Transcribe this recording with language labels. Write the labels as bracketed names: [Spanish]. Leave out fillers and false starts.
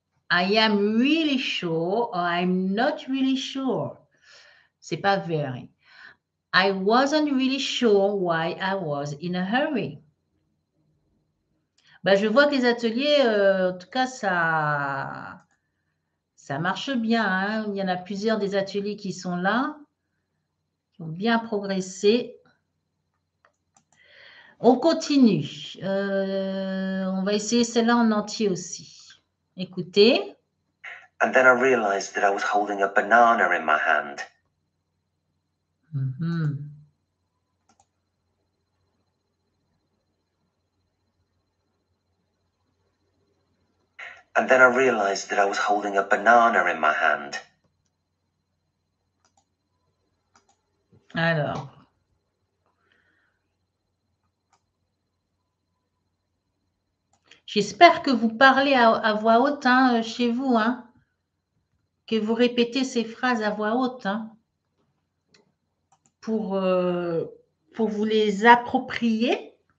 [English] I am really sure or I'm not really sure. [French] C'est pas [English] very. I wasn't really sure why I was in a hurry. [French] Ben, je vois que les ateliers, en tout cas, ça marche bien. Hein? Il y en a plusieurs des ateliers qui sont là. Bien progressé. On continue. On va essayer celle-là en entier aussi. Écoutez. [English] And then I realized that I was holding a banana in my hand. Mm-hmm. And then I realized that I was holding a banana in my hand. [French] Alors, j'espère que vous parlez à voix haute hein, chez vous, hein, que vous répétez ces phrases à voix haute hein, pour vous les approprier.